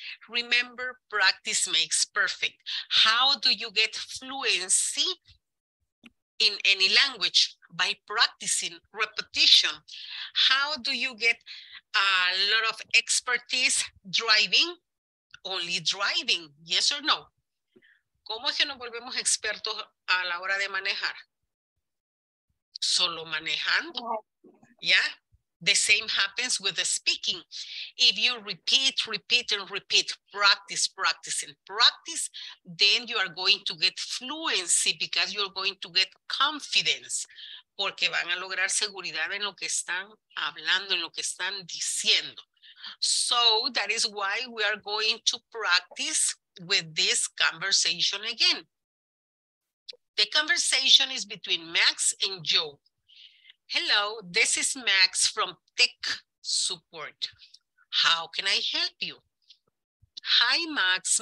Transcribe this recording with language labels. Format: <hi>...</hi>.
<en>Remember, practice makes perfect. How do you get fluency in any language? By practicing, repetition. How do you get a lot of expertise driving? Only driving, yes or no?</en> <es>¿Cómo es que nos volvemos expertos a la hora de manejar?</es> <en>Solo manejando, ¿ya? The same happens with the speaking. If you repeat, repeat, and repeat, practice, practice, and practice, then you are going to get fluency because you're going to get confidence.</en> <es>Porque van a lograr seguridad en lo que están hablando, en lo que están diciendo.</es> <en>So that is why we are going to practice with this conversation again. The conversation is between Max and Joe. Hello, this is Max from Tech Support. How can I help you? Hi, Max.</en>